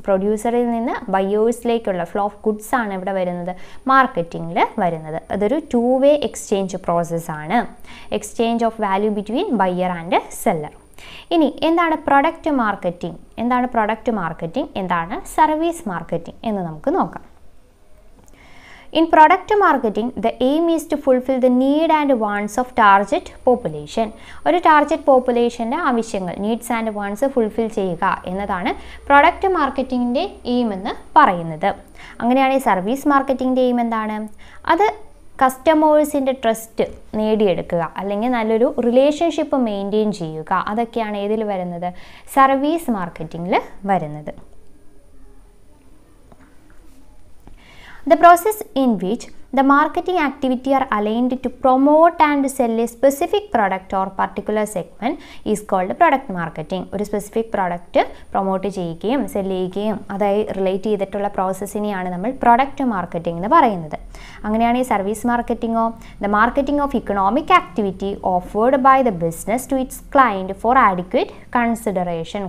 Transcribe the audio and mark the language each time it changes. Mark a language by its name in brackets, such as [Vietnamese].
[Malayalam] പ്രൊഡ്യൂസറിൽ നിന്ന് ബയേഴ്സിലേക്കുള്ള flow of goods ആണ് ഇവിടെ വരുന്നത്, മാർക്കറ്റിംഗിൽ വരുന്നത്. അതൊരു ടു വേ എക്സ്ചേഞ്ച് പ്രോസസ്സാണ്, exchange of value between buyer and seller. ഇനി എന്താണ് പ്രൊഡക്റ്റ് മാർക്കറ്റിംഗ്, എന്താണ് പ്രൊഡക്റ്റ് മാർക്കറ്റിംഗ്, എന്താണ് സർവീസ് മാർക്കറ്റിംഗ് എന്ന് നമുക്ക് നോക്കാം. [English] In product marketing, the aim is to fulfill the need and wants of target population. [Malayalam] ഒരു target പോപ്പുലേഷൻ്റെ ആവശ്യങ്ങൾ, നീഡ്സ് ആൻഡ് വാൻസ് ഫുൾഫിൽ ചെയ്യുക എന്നതാണ് പ്രൊഡക്റ്റ് മാർക്കറ്റിംഗിൻ്റെ എയിം എന്ന് പറയുന്നത്. അങ്ങനെയാണെങ്കിൽ സർവീസ് മാർക്കറ്റിംഗിൻ്റെ എയിം എന്താണ്? അത് കസ്റ്റമേഴ്സിൻ്റെ ട്രസ്റ്റ് നേടിയെടുക്കുക, അല്ലെങ്കിൽ നല്ലൊരു റിലേഷൻഷിപ്പ് മെയിൻറ്റെയിൻ ചെയ്യുക. അതൊക്കെയാണ് ഏതിൽ വരുന്നത്? സർവീസ് മാർക്കറ്റിംഗിൽ വരുന്നത്. [English] The process in which the marketing activity are aligned to promote and sell a specific product or particular segment is called product marketing. [Malayalam] ഒരു സ്പെസിഫിക് പ്രൊഡക്റ്റ് പ്രൊമോട്ട് ചെയ്യുകയും സെൽ ചെയ്യുകയും അതായി റിലേറ്റ് ചെയ്തിട്ടുള്ള പ്രോസസ്സിനെയാണ് നമ്മൾ പ്രൊഡക്റ്റ് മാർക്കറ്റിംഗ് എന്ന് പറയുന്നത്. അങ്ങനെയാണെങ്കിൽ service മാർക്കറ്റിംഗോ? [English] The marketing of economic activity offered by the business to its client for adequate consideration.